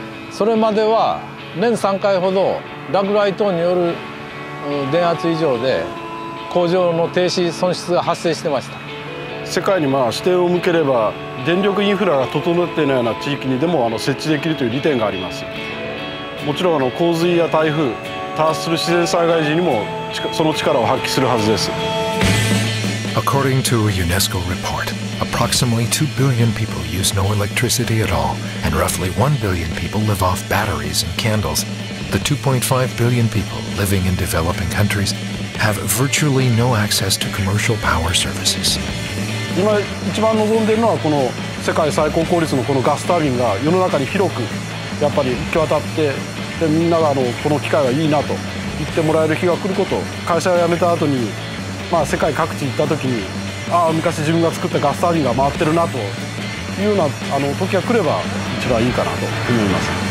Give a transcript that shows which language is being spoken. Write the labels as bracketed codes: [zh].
[ja] それまでは年3回ほど落雷等による電圧異常で工場の停止損失が発生してました。世界にまあ視点を向ければ、電力インフラが整っていないような地域にでも設置できるという利点があります。もちろん洪水や台風、多発する自然災害時にもその力を発揮するはずです。 [en] According to a UNESCO report, approximately 2 billion people use no electricity at all, and roughly 1 billion people live off batteries and candles. The 2.5 billion people living in developing countries have virtually no access to commercial power services. [ja] 今一番望んでいるのはこの世界最高効率のこのガスタービンが世の中に広くやっぱり行き渡って、でみんながこの機会がいいなと行ってもらえる日が来ること、会社を辞めた後に、まあ、世界各地行った時に、ああ昔自分が作ったガスタービンが回ってるなというような、あの時が来れば一番いいかなと思います。